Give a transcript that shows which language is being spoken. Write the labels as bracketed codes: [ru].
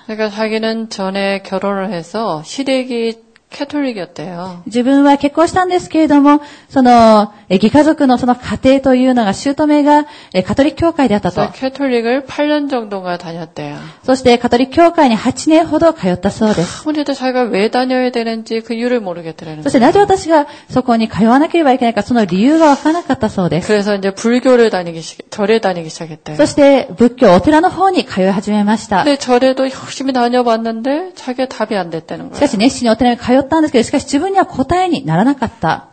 [ko] 그러니까자기는전에결혼을해서시댁이 [ja] カトリックだったよ。自分は結婚したんですけれども、その、義家族のその家庭というのが、姑が、カトリック教会であったと。 [ko] カトリックを8年정도가다녔대요。 [ja] そして、カトリック教会に8年ほど通ったそうです。 [ko] 아무래도자기가왜다녀야되는지그이유를모르겠더라는 [ja] そして、なぜ私がそこに通わなければいけないか、その理由がわからなかったそうです。 [ko] 그래서、이제、불교를다니기시、절에다니기시작했대요。 [ja] そして、仏教、お寺の方に通い始めました。 [ko] で、절에도열심히다녀봤는데、자기답이안됐다는거예요。 [ja] しかし、熱心にお寺に通ったしかし自分には答えにならなかった。